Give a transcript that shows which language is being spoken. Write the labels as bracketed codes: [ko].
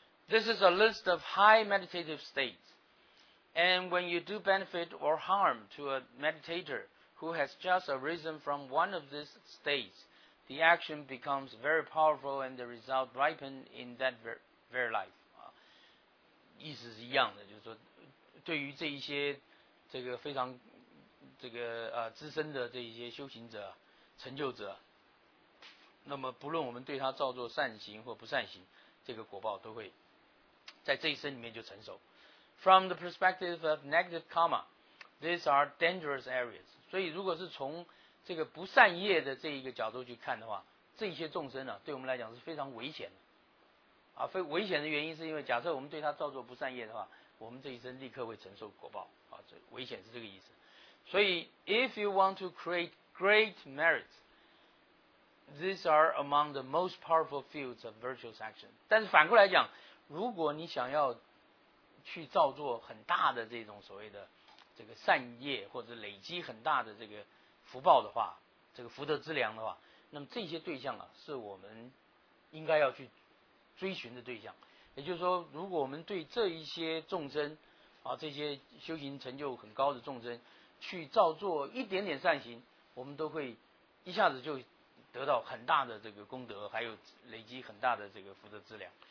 [en] This is a list of high meditative states. And when you do benefit or harm to a meditator who has just arisen from one of these states, the action becomes very powerful and the result ripens in that very life. [zh] 意思是一样的，就是说，对于这一些这个非常这个资深的这一些修行者、成就者。那么不论我们对他造作善行或不善行，这个果报都会在这一生里面就成熟。 [en] From the perspective of negative karma, these are dangerous areas. [zh] 所以如果是从这个不善业的这一个角度去看的话，这些众生啊，对我们来讲是非常危险的啊。非危险的原因是因为假设我们对他造作不善业的话，我们这一生立刻会承受果报啊。这危险是这个意思。 [en] 所以 if you want to create great merits,These are among the most powerful fields of virtuous action. [zh] 但是反过来讲，如果你想要去造作很大的这种所谓的这个善业，或者累积很大的这个福报的话，这个福德资粮的话，那么这些对象啊，是我们应该要去追寻的对象。也就是说，如果我们对这一些众生啊，这些修行成就很高的众生去造作一点点善行，我们都会一下子就得到很大的这个功德，还有累积很大的这个福德资粮。